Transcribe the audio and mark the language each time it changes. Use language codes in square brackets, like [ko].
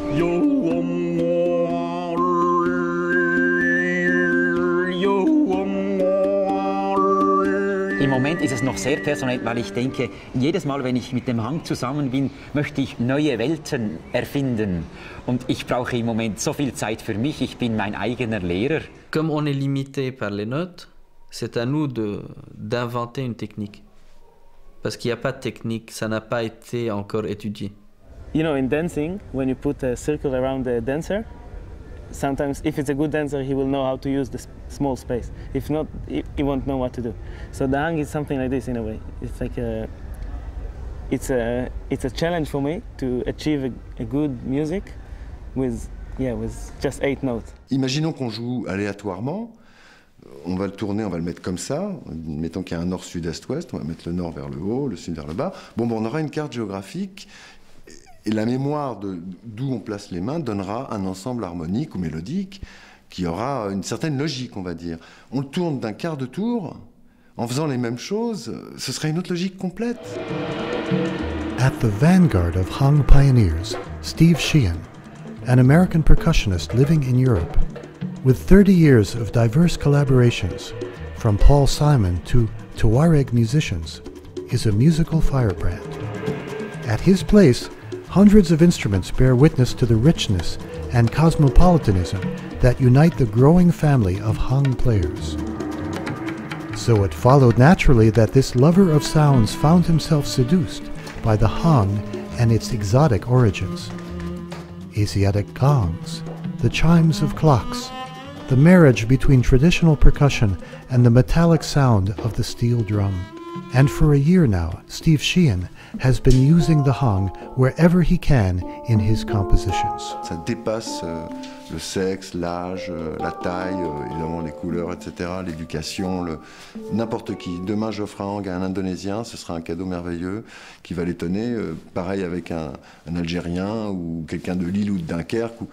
[de] Yo, im Moment ist es noch sehr personell, weil ich denke, jedes Mal, wenn ich mit dem Hang zusammen bin, möchte ich neue Welten erfinden. Und ich brauche im Moment so viel Zeit für mich, ich bin mein eigener Lehrer. [fr] Comme on est limité par les notes, c'est à nous d'inventer une technique. Parce qu'il n'y a pas de technique, ça n'a pas été encore étudié. [en] You know, in dancing, when you put a circle around the dancer, sometimes if it's a good dancer, he will know how to use the small space. If not, he won't know what to do. So the hang is something like this in a way. It's like it's a challenge for me to achieve a good music with just 8 notes. [fr] Imaginons qu'on joue aléatoirement. On va le tourner, on va le mettre comme ça. Mettons qu'il y a un nord, sud, est, ouest. On va mettre le nord vers le haut, le sud vers le bas. Bon, on aura une carte géographique. Et la mémoire d'où on place les mains donnera un ensemble harmonique ou mélodique qui aura une certaine logique, on va dire. On le tourne d'un quart de tour, en faisant les mêmes choses, ce serait une autre logique complète. [en] At the vanguard of Hang pioneers, Steve Sheehan, an American percussionist living in Europe, with 30 years of diverse collaborations, from Paul Simon to Tuareg musicians, is a musical firebrand. At his place, Hundreds of instruments bear witness to the richness and cosmopolitanism that unite the growing family of Hang players. So it followed naturally that this lover of sounds found himself seduced by the Hang and its exotic origins. Asiatic gongs, the chimes of clocks, the marriage between traditional percussion and the metallic sound of the steel drum. And for a year now, Steve Sheehan has been using the Hang wherever he can in his compositions. [fr] Ça dépasse le sexe, l'âge, la taille, évidemment les couleurs, etc., l'éducation, n'importe qui. Demain, j'offre un Hang à un Indonésien, ce sera un cadeau merveilleux qui va l'étonner. Pareil avec un Algérien ou quelqu'un de Lille ou de Dunkerque.